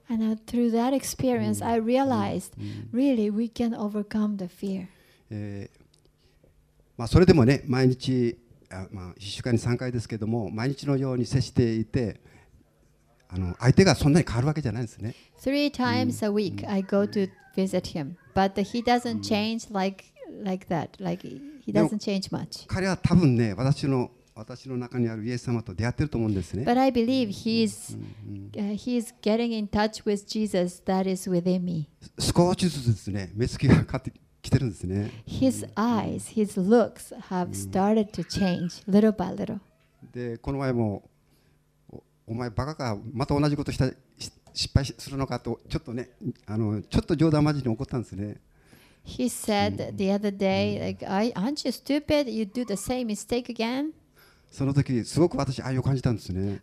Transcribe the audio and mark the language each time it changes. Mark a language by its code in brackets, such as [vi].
[en] And through that experience, I realized, really, we can overcome the fear. [ja] まあそれでもね、毎日、まあ1週間に3回ですけども、毎日のように接していて、相手がそんなに変わるわけじゃないですね。 [en] Three times a week, I go to visit him, but he doesn't change like that. Like he doesn't change much. [ja] 彼は多分ね、私の中にあるイエス様と出会ってると思うんですね。 [en] But I believe he's getting in touch with Jesus that is within me. [ja] 少しずつですね、目つきが変わってきてるんですね。 [en] His eyes, his looks have started to change little by little. [ja] で、この前も お前バカか、また同じことした失敗するのかとちょっとね、ちょっと冗談交じりに怒ったんですね。 [en] He said the other day, like, aren't you stupid? You do the same mistake again? [ja] その時すごく私愛を感じたんですね。